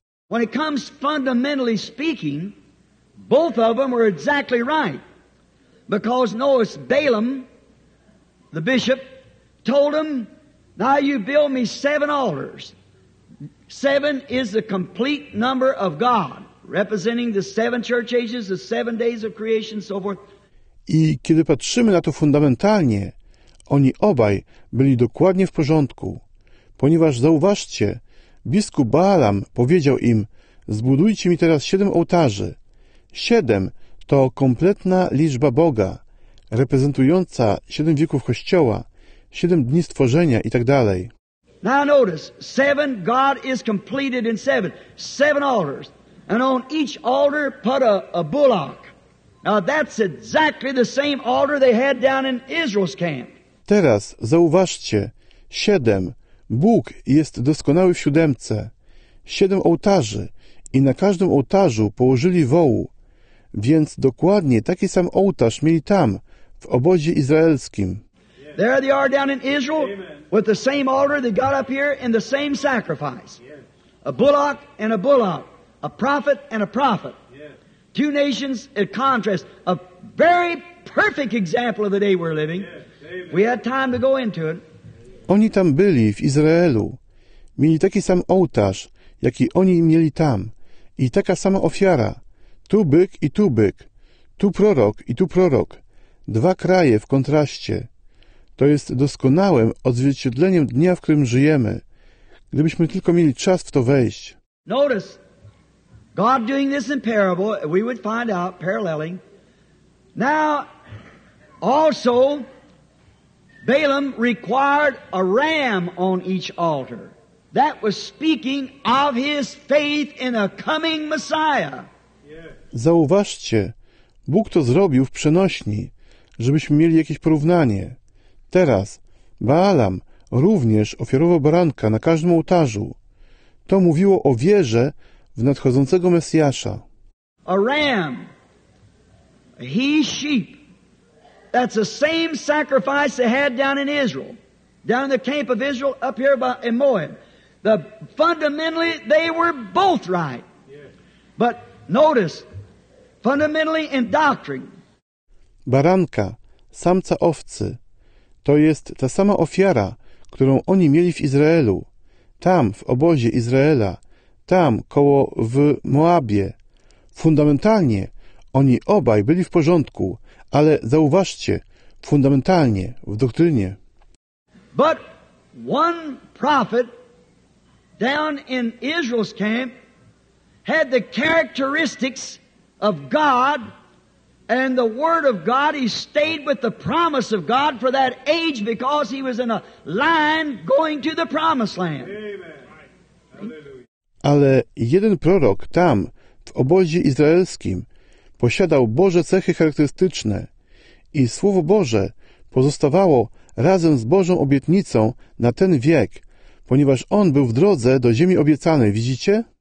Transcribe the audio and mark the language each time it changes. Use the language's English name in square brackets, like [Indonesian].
[English] When it comes fundamentally speaking, both of them were exactly right. Because notice Balaam, the bishop, told him, now you build me seven altars. Seven is the complete number of God, representing the seven church ages, the seven days of creation, so forth. [Polish] I kiedy patrzymy na to fundamentalnie, oni obaj byli dokładnie w porządku. Ponieważ zauważcie, biskup Balaam powiedział im, zbudujcie mi teraz siedem ołtarzy. Siedem to kompletna liczba Boga, reprezentująca siedem wieków Kościoła, siedem dni stworzenia i tak dalej. [English] Now notice, seven, God is completed in seven. Seven altars. And on each altar put a bullock. Now that's exactly the same altar they had down in Israel's camp. [Polish] Teraz zauważcie, siedem. Bóg jest doskonały w siódemce. Siedem ołtarzy i na każdym ołtarzu położyli wołu, więc dokładnie taki sam ołtarz mieli tam, w obozie izraelskim. [English] There they are down in Israel with the same altar they got up here in the same sacrifice. A bullock and a bullock. A prophet and a prophet. Two nations in contrast. A very perfect example of the day we're living. We had time to go into it. [Polish] Oni tam byli, w Izraelu. Mieli taki sam ołtarz, jaki oni mieli tam. I taka sama ofiara. Tu byk i tu byk. Tu prorok i tu prorok. Dwa kraje w kontraście. To jest doskonałym odzwierciedleniem dnia, w którym żyjemy. Gdybyśmy tylko mieli czas w to wejść. [English] Notice, God doing this in parable, we would find out, paralleling. Now, also, Balaam required a ram on each altar. That was speaking of his faith in a coming Messiah. [Polish] Zauważcie, Bóg to zrobił w przenośni, żebyśmy mieli jakieś porównanie. Teraz Balaam również ofiarował baranka na każdym ołtarzu. To mówiło o wierze w nadchodzącego Mesjasza. [English] A ram, he sheep. That's the same sacrifice they had down in Israel, down in the camp of Israel, up here by Moab. Fundamentally, they were both right. But notice, fundamentally in doctrine. [Polish] Baranka, samca owcy, to jest ta sama ofiara, którą oni mieli w Izraelu, tam w obozie Izraela, tam koło w Moabie. Fundamentalnie, oni obaj byli w porządku. Ale zauważcie, fundamentalnie, w doktrynie. [English] But one prophet down in Israel's camp had the characteristics of God and the word of God. He stayed with the promise of God for that age because he was in a line going to the promised land. [Polish] Ale jeden prorok tam, w obozie izraelskim, posiadał Boże cechy charakterystyczne. I Słowo Boże pozostawało razem z Bożą obietnicą na ten wiek, ponieważ On był w drodze do ziemi obiecanej, widzicie?